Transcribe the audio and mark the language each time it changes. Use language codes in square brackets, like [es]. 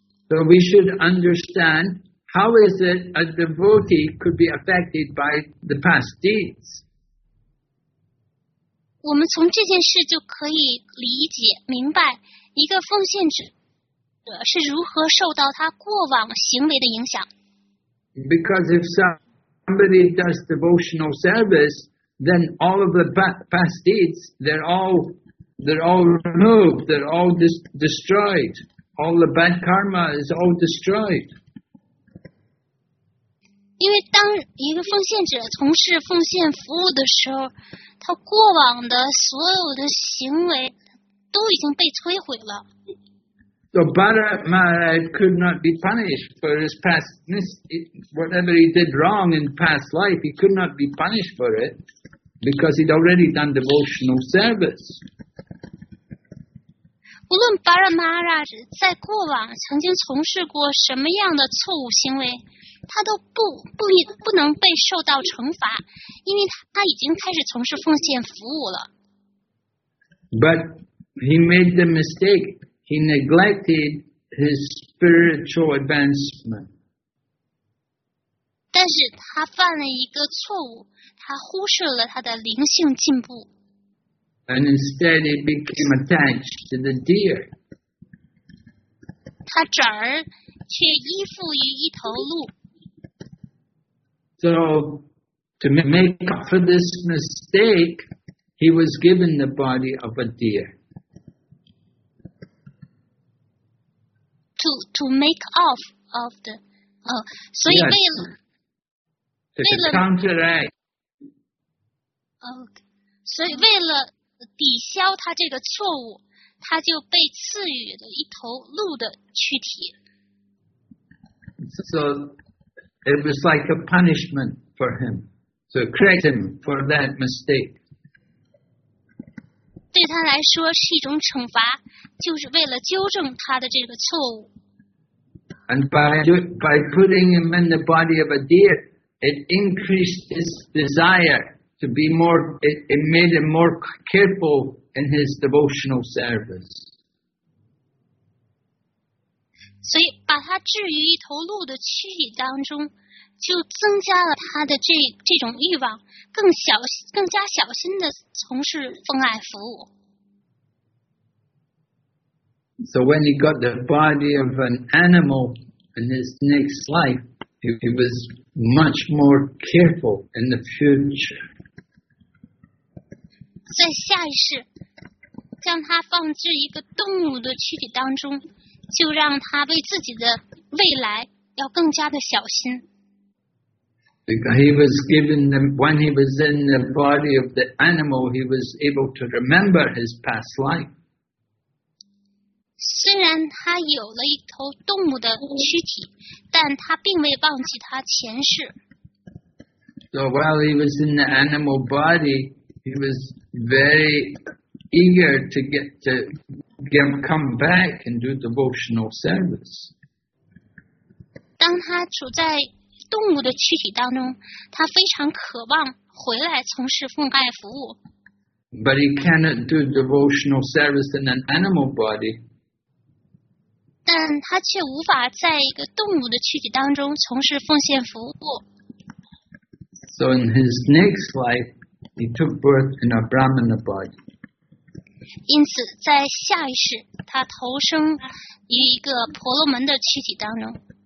[en] So we should understand how is it a devotee could be affected by the past deeds. [zh] 我们从这件事就可以理解明白。一个奉献者是如何受到他过往行为的影响 [en] ？Because if somebody does devotional service, then all of the past deeds they're all removed, they're all destroyed. All the bad karma is all destroyed. [zh] 因为当一个奉献者从事奉献服务的时候，他过往的所有的行为。都已经被摧毁了。 [en] So Bharat Maharaj could not be punished for his past whatever he did wrong in past life. He could not be punished for it because he'd already done devotional service. [zh] 无论 Bharat Maharaj 在过往曾经从事过什么样的错误行为，他都不能被受到惩罚，因为他已经开始从事奉献服务了。 [en] But He made the mistake. He neglected his spiritual advancement. [zh] 但是他犯了一个错误，他忽视了他的灵性进步。 [en] And instead, he became attached to the deer. [zh] 他转而却依附于一头鹿。 [en] So, to make up for this mistake, he was given the body of a deer. To make off of the, [zh] 所以为了 [en] counteract, [zh] 所以为了抵消他这个错误，他就被赐予了一头鹿的躯体。 [en] So it was like a punishment for him, to correct him for that mistake. [zh] 对他来说是一种惩罚，就是为了纠正他的这个错误。 [en] And by putting him in the body of a deer, it increased his desire to be more, it made him more careful in his devotional service. [zh] 所以把他置于一头鹿的躯体当中，就增加了他的这种欲望，更加小心地从事奉爱服务。 [en] So when he got the body of an animal in his next life, he was much more careful in the future. [zh] 在下一世，将他放置一个动物的躯体当中，就让他为自己的未来要更加的小心。 [en] Because he was given the, when he was in the body of the animal, he was able to remember his past life. [zh] 虽然他有了一头动物的躯体，但他并未忘记他前世。 [en] So while he was in the animal body, he was very eager to come back and do devotional service. [zh] 当他处在动物的躯体当中，他非常渴望回来从事奉爱服务。 [en] But he cannot do devotional service in an animal body. [zh] 但他却无法在一个动物的躯体当中从事奉献服务。 [en] So in his next life, he took birth in a Brahmana body. [zh] 因此，在下一世，他投生于一个婆罗门的躯体当中。